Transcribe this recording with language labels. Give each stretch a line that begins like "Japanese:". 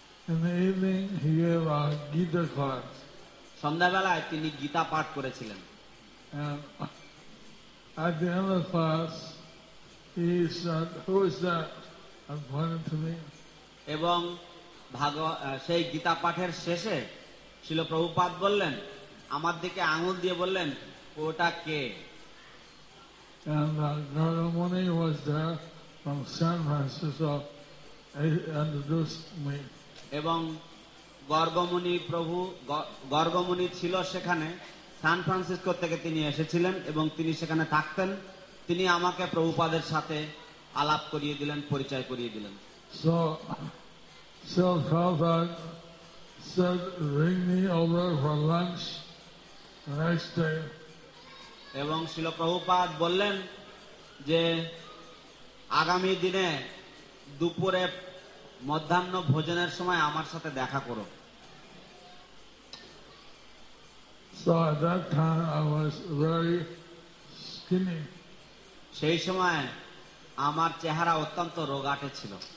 English: In the evening he gave a Gita class.
Bangla: সন্ধ্যাবেলায় তিনি গীতা পাঠ করেছিলেন।
English: And at the end of class he said, "Who is that?" I'm pointing to me.
Bangla: এবং সেই গীতা পাঠের শেষে শ্রীল প্রভুপাদ বললেন আমার দিকে আঙুল দিয়ে বললেন ওটা কে।
English: And Narada Muni was there from San Francisco and introduced me.
Bangla: এবং গর্গমুনি প্রভু গর্গমুনি ছিল সেখানে সান ফ্রান্সিসকো থেকে তিনি এসেছিলেন এবং তিনি সেখানে থাকতেন তিনি আমাকে প্রভুপাদের সাথে আলাপ করিয়ে দিলেন পরিচয় করিয়ে দিলেন।
English: So Srila Prabhupada said, "Bring me over for lunch next day."
Bangla: এবং শ্রীল প্রভুপাদ বললেন যে আগামী দিনে দুপুরে মধ্যাহ্ন ভোজনের সময় আমার সাথে দেখা করো।
English: So at that time I was very skinny.
Bangla: সেই সময় আমার চেহারা অত্যন্ত রোগাটে ছিল।